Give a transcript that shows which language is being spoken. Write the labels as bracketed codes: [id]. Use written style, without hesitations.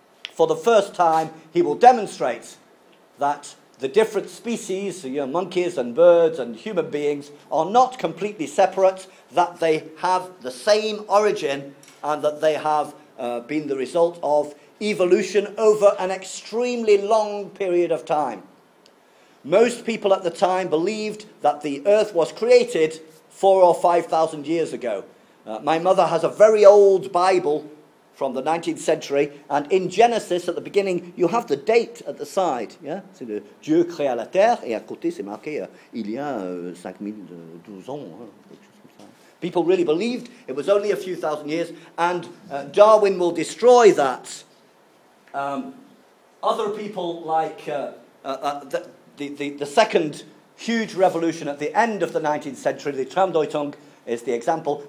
[en] For the first time, he will demonstrate that the different species, you know, monkeys and birds and human beings, are not completely separate, that they have the same origin, and that they have been the result of evolution over an extremely long period of time. Most people at the time believed that the Earth was created 4,000 or 5,000 years ago. My mother has a very old Bible from the 19th century, and in Genesis, at the beginning, you have the date at the side. [fr] Yeah, c'est le Dieu créa la terre, et à côté, c'est marqué il y a 5,012 ans. [en] People really believed it was only a few thousand years, and Darwin will destroy that. Other people, like the second huge revolution at the end of the 19th century, the Tramdeutung, is the example.